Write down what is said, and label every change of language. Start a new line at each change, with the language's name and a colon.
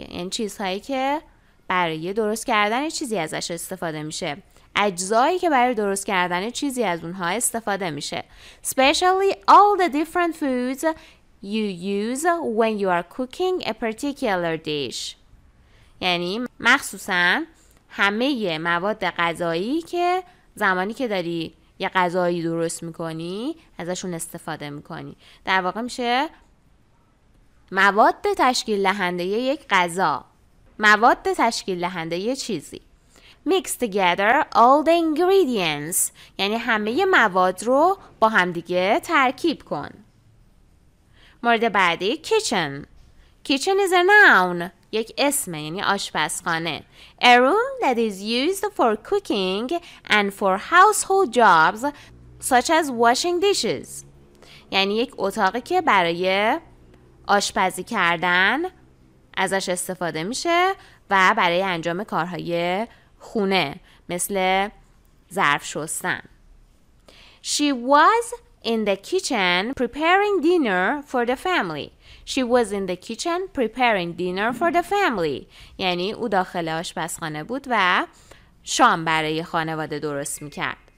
Persian: این چیزهایی که برای درست کردن چیزی ازش استفاده میشه. اجزایی که برای درست کردن چیزی از اونها استفاده میشه.
English: Especially all the different foods you use when you are cooking a particular dish.
Persian: یعنی مخصوصا همه مواد غذایی که زمانی که داری یه غذایی درست میکنی ازشون استفاده میکنی. در واقع میشه مواد تشکیل دهنده یک غذا، مواد تشکیل دهنده یه چیزی.
English: Mix together all the ingredients
Persian: یعنی همه ی مواد رو با همدیگه ترکیب کن. مورد بعدی
English: kitchen is a noun،
Persian: یک اسمه، یعنی آشپزخانه.
English: A room that is used for cooking and for household jobs such as washing dishes.
Persian: یعنی یک اتاقی که برای آشپزی کردن ازش استفاده میشه و برای انجام کارهای خونه مثل ظرف شستن.
English: She was in the kitchen preparing dinner for the family. She was in the kitchen preparing dinner for the family.
Persian: یعنی او داخل آشپزخانه بود و شام برای خانواده درست میکرد.